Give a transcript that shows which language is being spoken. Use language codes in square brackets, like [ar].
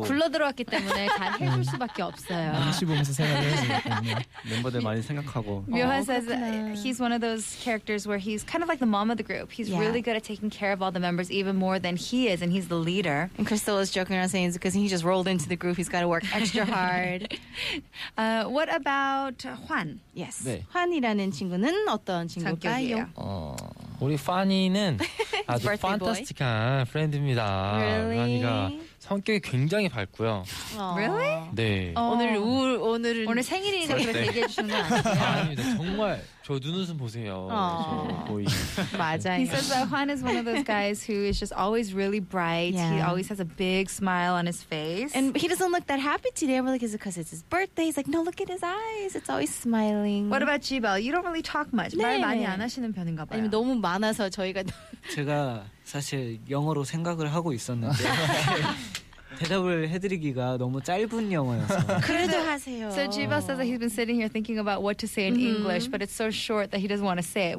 [ko] 굴러들어왔기 때문에 다 해줄 수밖에 없어요. 눈치 보면서 생각을 해야 되겠군요. 멤버들 많이 생각하고. [en] Myoha says he's one of those characters where he's kind of like the mom of the group. He's really good at taking care of all the members even more than he is, and he's the leader. And Crystal is joking around saying it's because he just rolled into the group. He's got to work extra hard. What about Juan? Yes. [ko] 네. 환이라는 친구는 어떤 친구일까요? 우리 파니는 아주 판타스틱한 프렌드입니다. [en] Really? [ko] 파니가 성격이 굉장히 밝고요. [en] Really? [ko] 네. 오늘 생일이니까 그렇게 얘기해 주시는 거 아니에요? 아닙니다. 정말 저 눈웃음 보세요. 맞아요. [en] He says that Juan is one of those guys who is just always really bright. Yeah. He always has a big smile on his face. And he doesn't look that happy today. We're like, is it because it's his birthday? He's like, no, look at his eyes. It's always smiling. What about Jibel? You don't really talk much. [ko] 네. 말 많이 안 하시는 편인가 봐요. 아니면 너무 많아서 저희가 제가 사실 영어로 생각을 하고 있었는데 대답을 해드리기가 너무 짧은 영어여서. 그래도 하세요. [en] So Jiba says that he's been sitting here thinking about what to say in English, but it's so short that he doesn't want to say it.